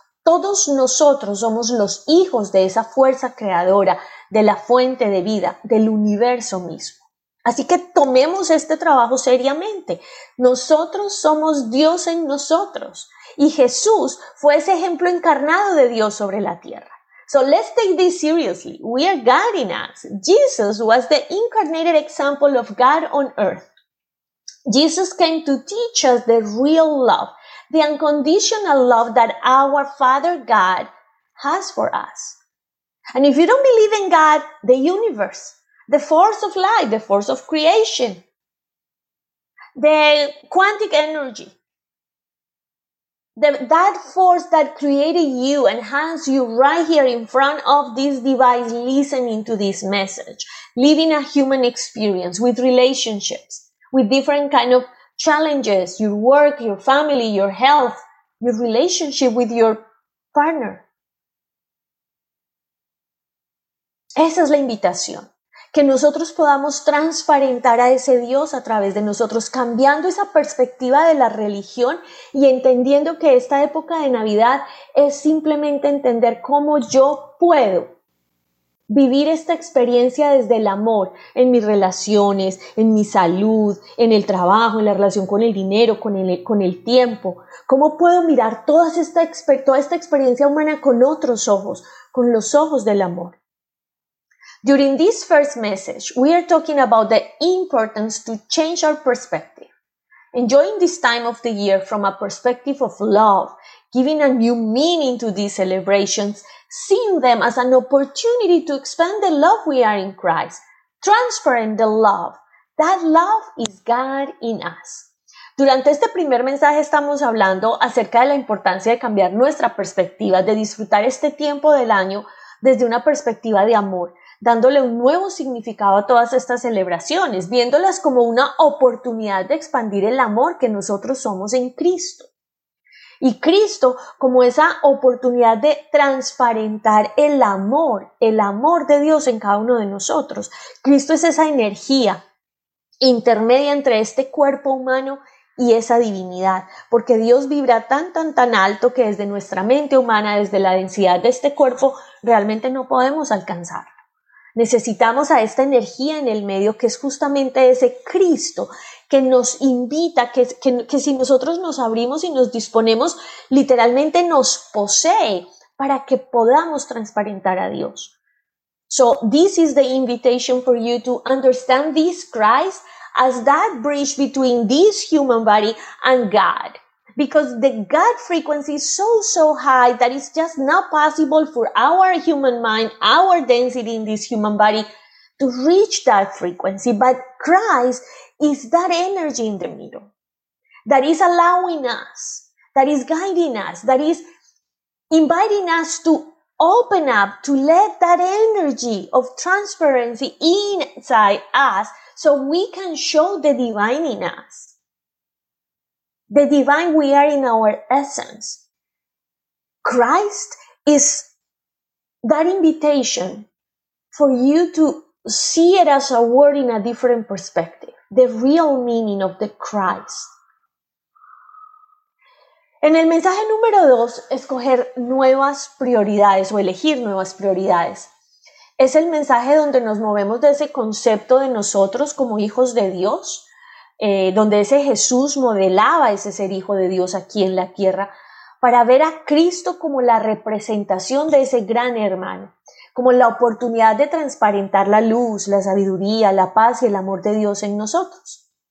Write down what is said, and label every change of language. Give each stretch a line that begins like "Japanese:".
Spanish: Todos nosotros somos los hijos de esa fuerza creadora, de la fuente de vida, del universo mismo. Así que tomemos este trabajo seriamente. Nosotros somos Dios en nosotros. Y Jesús fue ese ejemplo encarnado de Dios sobre la tierra.
English: So let's take this seriously. We are God in us. Jesus was the incarnated example of God on earth. Jesus came to teach us the real love, the unconditional love that our Father God has for us. And if you don't believe in God, the universe, the force of life, the force of creation, the quantic energy, that force that created you and has you right here in front of this device, listening to this message, living a human experience with relationships, with different kind of challenges, your work, your family, your health, your relationship with your partner.
Spanish: Esa es la invitación, que nosotros podamos transparentar a ese Dios a través de nosotros, cambiando esa perspectiva de la religión y entendiendo que esta época de Navidad es simplemente entender cómo yo puedo vivir esta experiencia desde el amor, en mis relaciones, en mi salud, en el trabajo, en la relación con el dinero, con el tiempo. ¿Cómo puedo mirar toda esta experiencia humana con otros ojos, con los ojos del amor?
English: During this first message, we are talking about the importance to change our perspective. Enjoying this time of the year from a perspective of love, giving a new meaning to these celebrations, seeing them as an opportunity to expand the love we are in Christ, transferring the love. That love is God in us.
Spanish: Durante este primer mensaje estamos hablando acerca de la importancia de cambiar nuestra perspectiva, de disfrutar este tiempo del año desde una perspectiva de amor, dándole un nuevo significado a todas estas celebraciones, viéndolas como una oportunidad de expandir el amor que nosotros somos en Cristo. Y Cristo como esa oportunidad de transparentar el amor de Dios en cada uno de nosotros. Cristo es esa energía intermedia entre este cuerpo humano y esa divinidad, porque Dios vibra tan alto que desde nuestra mente humana, desde la densidad de este cuerpo, realmente no podemos alcanzarlo. Necesitamos a esta energía en el medio, que es justamente ese Cristo que nos invita, que si nosotros nos abrimos y nos disponemos, literalmente nos posee para que podamos transparentar a Dios.
English: So this is the invitation for you to understand this Christ as that bridge between this human body and God. Because the God frequency is so high that it's just not possible for our human mind, our density in this human body, to reach that frequency. But Christ is that energy in the middle that is allowing us, that is guiding us, that is inviting us to open up, to let that energy of transparency inside us, so we can show the divine in us, the divine we are in our essence. Christ is that invitation for you to see it as a word in a different perspective, the real meaning of the Christ.
Spanish: En el mensaje número 2, escoger nuevas prioridades o elegir nuevas prioridades. Es el mensaje donde nos movemos de ese concepto de nosotros como hijos de Dios, donde ese Jesús modelaba ese ser hijo de Dios aquí en la tierra, para ver a Cristo como la representación de ese gran hermano, como la oportunidad de transparentar la luz, la sabiduría, la paz y el amor de Dios en nosotros.